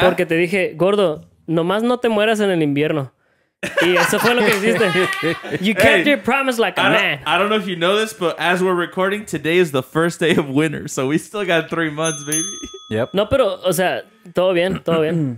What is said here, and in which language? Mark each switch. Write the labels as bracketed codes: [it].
[es] Porque te dije, Gordo, nomás no te mueras en el invierno. Y eso fue lo que hiciste. [en] You kept your promise like a man. I don't know if you know this, but as we're recording, today is the first day of winter. So we still got 3 months, baby. Yep. [es] No, pero, o sea, todo bien, todo bien.